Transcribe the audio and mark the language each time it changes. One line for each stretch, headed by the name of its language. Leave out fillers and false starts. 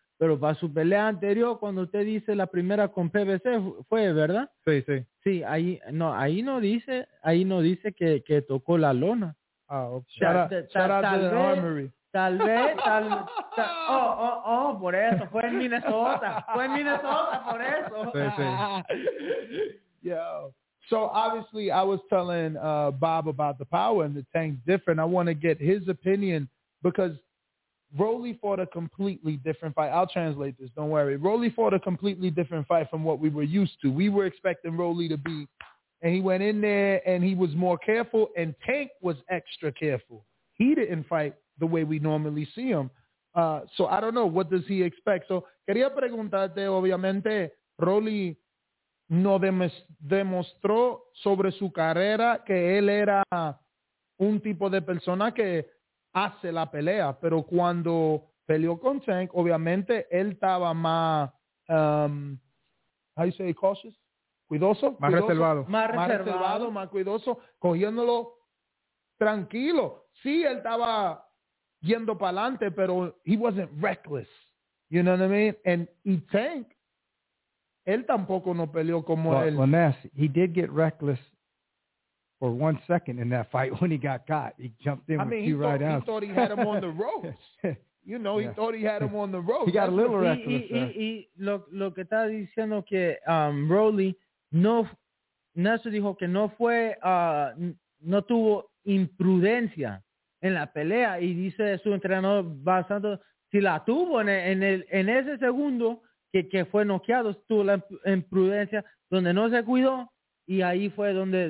Spanish: Pero para su pelea anterior, cuando usted dice la primera con PBC, fue, ¿verdad? Sí, sí. Sí, ahí no dice que tocó la lona.
English: Oh, okay. Shout out to the armory.
Spanish: Tal vez, por eso, fue en Minnesota, por eso. Sí, sí.
English: Yo. So, obviously, I was telling Bob about the power and the tank different. I want to get his opinion because Rolly fought a completely different fight. I'll translate this, don't worry. Rolly fought a completely different fight from what we were used to. We were expecting Rolly to be... And he went in there, and he was more careful, and Tank was extra careful. He didn't fight the way we normally see him. So I don't know. What does he expect?
Spanish: So quería preguntarte, obviamente, Rolly no demostró sobre su carrera que él era un tipo de persona que hace la pelea. Pero cuando peleó con Tank, obviamente, él estaba más,
English: how you say, cautious?
Spanish: Cuidoso, más cuidoso, reservado. Más reservado, más cuidoso, cogiéndolo tranquilo. Sí, él estaba yendo para adelante, pero
English: he wasn't reckless. You know what I mean?
Spanish: Y Tank, él tampoco no peleó como él.
English: Well, Ness, he did get reckless for 1 second in that fight when he got caught. He jumped in with two right outs. He thought he had him on the ropes. You know, he thought he had him on the ropes. He got a little reckless.
Spanish: Y lo que está diciendo que Rolly... No, Nelson dijo que no fue, no tuvo imprudencia en la pelea y dice su entrenador bastante, si la tuvo en ese segundo que fue noqueado, tuvo la imprudencia donde no se cuidó y ahí fue donde...